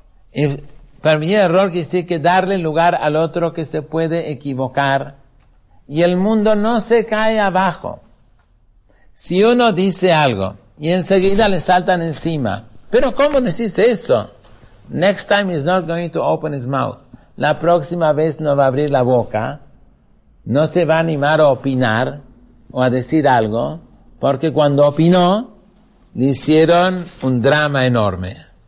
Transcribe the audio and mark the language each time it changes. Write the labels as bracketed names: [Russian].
[Spanish] Y permitir el error quiere decir que darle lugar al otro que se puede equivocar y el mundo no se cae abajo. Si uno dice algo y enseguida le saltan encima, pero ¿cómo decís eso? [English] Next time he's not going to open his mouth. [Spanish] La próxima vez no va a abrir la boca, no se va a animar a opinar o a decir algo, porque cuando opinó, le hicieron un drama enorme.